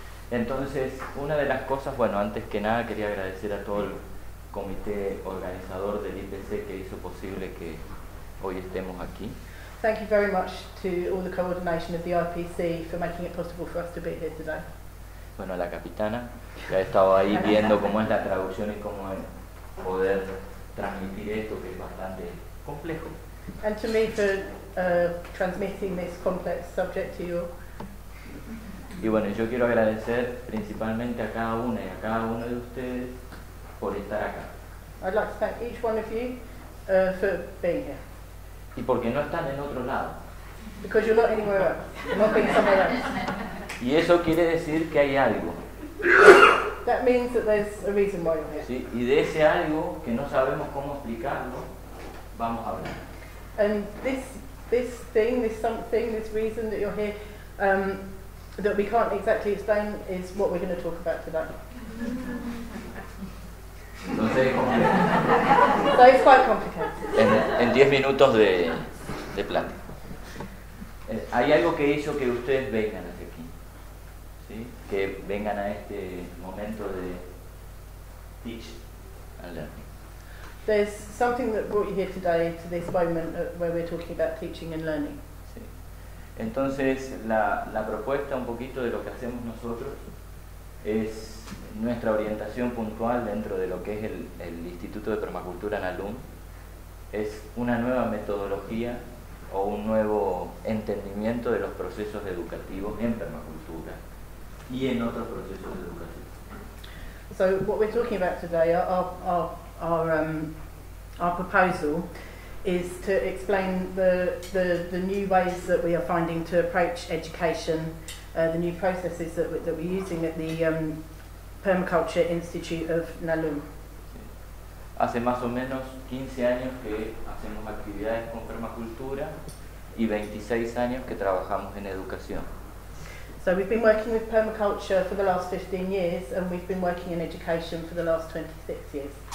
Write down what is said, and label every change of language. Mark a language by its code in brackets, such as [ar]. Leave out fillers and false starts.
[es] Entonces, una de las cosas, bueno, antes que nada quería agradecer a todo el comité organizador del IPC que hizo posible que hoy estemos aquí. [en] Thank you very much to all the coordination of the IPC for making it possible for us to be here today. [es] Bueno, a la capitana, que ha estado ahí viendo cómo es la traducción y cómo es poder transmitir esto, que es bastante complejo. [en] And to me for transmitting this complex subject to you. [es] Y bueno, yo quiero agradecer principalmente a cada una y a cada uno de ustedes por estar acá. [en] I'd like to thank each one of you for being here. [es] Y porque no están en otro lado. [en] Because you're not anywhere else. You're not being somewhere else. [es] Y eso quiere decir que hay algo. [en] That means that there's a reason why you're here. [es] Sí, y de ese algo que no sabemos cómo explicarlo, vamos a hablar. [en] And this thing, this something, this reason that you're here, that we can't exactly explain, is what we're going to talk about today. [es] Entonces, [en] so it's quite complicated. [es] En 10 minutos de plática. Hay algo que hizo que ustedes vengan hacia aquí, ¿sí? Que vengan a este momento de [en] teach and learning. There's something that brought you here today to this moment where we're talking about teaching and learning. [es] Sí. Entonces, la propuesta un poquito de lo que hacemos nosotros es nuestra orientación puntual dentro de lo que es el Instituto de Permacultura Nalum es una nueva metodología o un nuevo entendimiento de los procesos educativos en permacultura y en otros procesos educativos. [en] So, what we're talking about today our proposal is to explain the new ways that we are finding to approach education, the new processes that we're using at the Permaculture Institute of Nalum. [es] hace más o menos 15 años que hacemos actividades con permacultura y 26 años que trabajamos en educación. [en] So we've been working with permaculture for the last 15 years and we've been working in education for the last 26 years.